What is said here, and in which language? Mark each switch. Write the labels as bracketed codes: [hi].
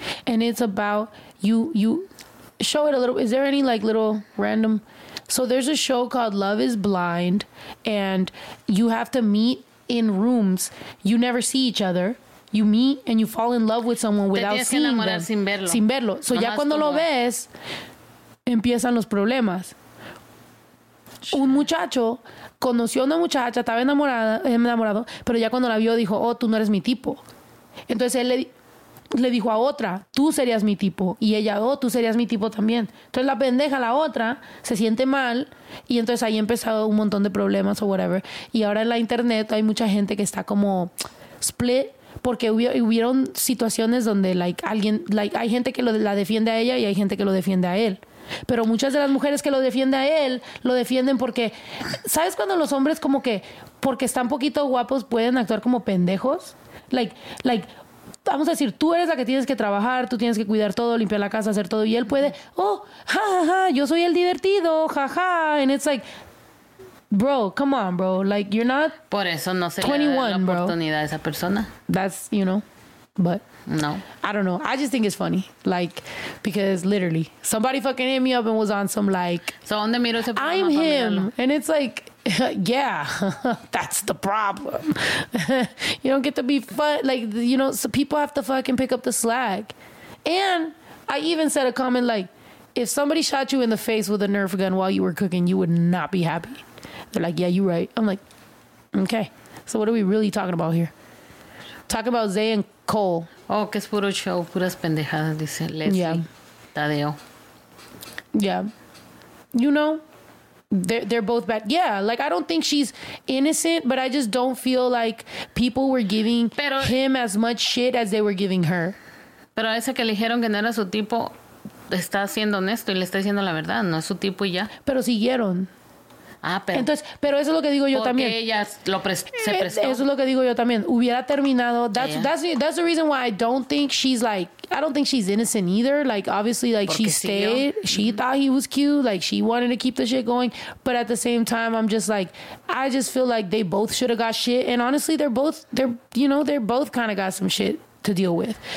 [en] And it's about you show it a little. Is there any like little random? So there's a show called Love is Blind, and you have to meet in rooms. You never see each other. You meet and you fall in love with someone without seeing them. [es] Sin verlo. Sin verlo. So no, ya cuando lo ves, empiezan los problemas. Un muchacho conoció a una muchacha, estaba enamorado, pero ya cuando la vio dijo, oh, tú no eres mi tipo. Entonces él le dijo a otra, tú serías mi tipo. Y ella, oh, tú serías mi tipo también. Entonces la pendeja, la otra, se siente mal. Y entonces ahí empezó un montón de problemas o whatever. Y ahora en la internet hay mucha gente que está como split. Porque hubieron situaciones donde like, alguien, like, hay gente que la defiende a ella y hay gente que lo defiende a él. Pero muchas de las mujeres que lo defienden a él, lo defienden porque, ¿sabes cuando los hombres como que, porque están poquito guapos, pueden actuar como pendejos? Like, vamos a decir, tú eres la que tienes que trabajar, tú tienes que cuidar todo, limpiar la casa, hacer todo, y él puede, oh, ja, ja, ja, yo soy el divertido, ja, ja, [en] and it's like, bro, come on, bro, like, you're not 21, [es] por eso no se le da la oportunidad a esa persona. [en] That's, you know, but. No, I don't know. I just think it's funny, like, because literally somebody fucking hit me up and was on some like, so on the middle, I'm him, familiarlo. And it's like, yeah, that's the problem. You don't get to be fun, like, you know. So people have to fucking pick up the slack. And I even said a comment like, if somebody shot you in the face with a Nerf gun while you were cooking, you would not be happy. They're like, yeah, you're right. I'm like, okay, so what are we really talking about here? Talking about Zay and Cole. [es] Oh, que es puro show, puras pendejadas, dice Leslie. Yeah. Tadeo. [en] Yeah. You know, they're both bad. Yeah, like, I don't think she's innocent, but I just don't feel like people were giving him as much shit as they were giving her. [es] Pero esa que le dijeron que no era su tipo, está siendo honesto y le está diciendo la verdad, no es su tipo y ya. Pero siguieron. Ah, pero. Entonces, pero eso es lo que digo yo también. Porque ella se prestó. Eso es lo que digo yo también. Hubiera terminado. [en] That's the reason why I don't think she's like, I don't think she's innocent either. Like, obviously, like, porque she stayed. Siguió. She thought he was cute. Like, she wanted to keep the shit going. But at the same time, I'm just like, I just feel like they both should have got shit. And honestly, they're both kind of got some shit to deal with.